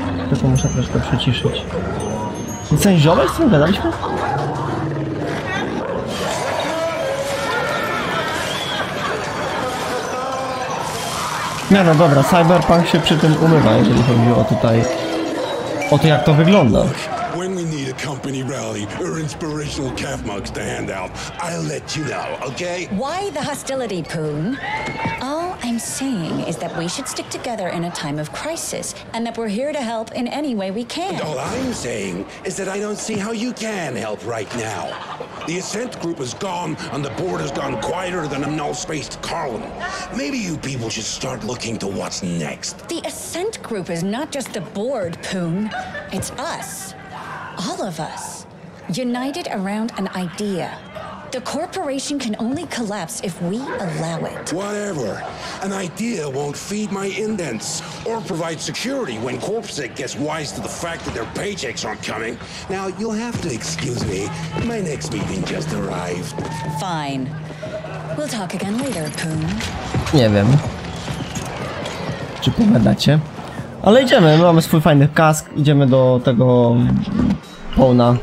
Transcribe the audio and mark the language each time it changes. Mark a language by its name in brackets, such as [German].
[Polish] Tylko muszę troszkę przyciszyć. Sędziowie, z tym gadaliśmy? Nie no dobra, Cyberpunk się przy tym umywa, jeżeli chodzi o tutaj, o to jak to wygląda. [English] When we need a company rally or inspirational calf mugs to hand out, I'll let you know, okay? Why the hostility, Poon? All I'm saying is that we should stick together in a time of crisis and that we're here to help in any way we can. All I'm saying is that I don't see how you can help right now. The Ascent Group is gone and the board has gone quieter than a null-spaced column. Maybe you people should start looking to what's next. The Ascent Group is not just the board, Poon. It's us. All of us, united around an idea. The corporation can only collapse if we allow it. Whatever. An idea won't feed my indents or provide security when CorpSec gets wise to the fact that their paychecks aren't coming. Now, you'll have to excuse me. My next meeting just arrived. Fine. We'll talk again later, Poon. [Polish] Nie wiem. Czy pogadacie? Ale idziemy, my mamy swój fajny kask, idziemy do tego pona.